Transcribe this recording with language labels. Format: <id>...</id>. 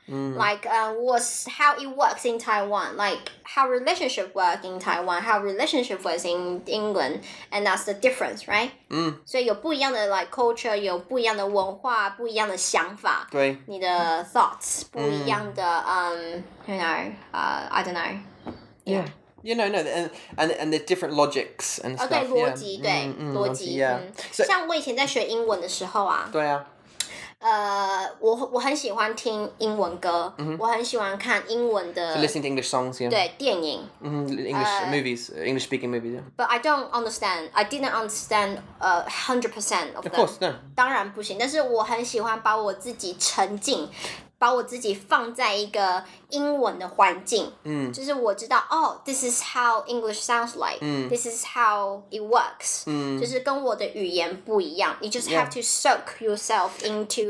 <en>Like, how it works in Taiwan, like, how relationship works in Taiwan, how relationship works in England, and that's the difference, right?</en> <zh>所以有不一样的,</zh> <en>like, culture,</en> <zh>有不一样的文化, 不一样的想法, 对。你的</zh> <en>thoughts,</en> <zh>不一样的,</zh> <en>you know, I don't know. Yeah. You know, and there's different logics and stuff.</en> <zh>对,逻辑,对,逻辑。像我以前在学英文的时候啊。对啊。我很喜欢听英文歌 我很喜欢看英文的</zh> <en>so listening to English songs, yeah.</en> <zh>对,电影</zh> <en>English movies, English speaking movies, yeah. But I don't understand, I didn't understand 100% of them. Of course, no.</en> <zh>当然不行, 但是我很喜欢把我自己沉浸, 把我自己放在一个英文的环境, 就是我知道,</zh> <en>oh, this is how English sounds like, this is how it works,</en> <zh>就是跟我的语言不一样,</zh> <en>you just have to soak yourself into</en>